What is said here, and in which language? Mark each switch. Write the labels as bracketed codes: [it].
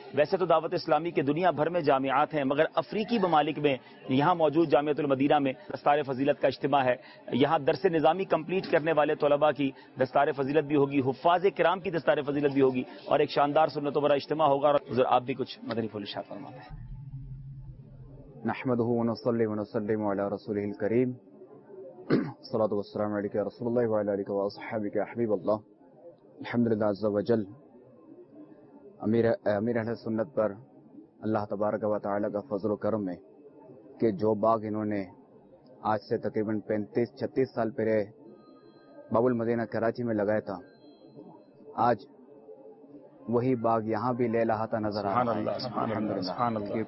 [ur] ویسے تو دعوت اسلامی کے دنیا بھر میں جامعات ہیں, مگر افریقی ممالک میں یہاں موجود جامعۃ المدینہ میں دستار فضیلت کا اجتماع ہے. یہاں درس نظامی کمپلیٹ کرنے والے طلباء کی دستار فضیلت بھی ہوگی, حفاظ کرام کی دستار فضیلت بھی ہوگی, اور ایک شاندار سنتوں برا اجتماع ہوگا. اور آپ بھی کچھ مدنی پھول ارشاد فرماتے ہیں. [ar] نحمده ونصلي ونسلم على رسوله الكريم, الصلاة والسلام عليك يا رسول الله وعلى آلك وأصحابك يا حبيب الله. الحمد لله عز وجل, [ur] امیر اہل سنت پر اللہ تبارک و تعالی کا فضل و کرم ہے کہ جو باغ انہوں نے آج سے تقریباً 35-36 سال پہلے باب المدینہ کراچی میں لگایا تھا, آج وہی باغ یہاں بھی لے لہاتا نظر آ رہا ہے.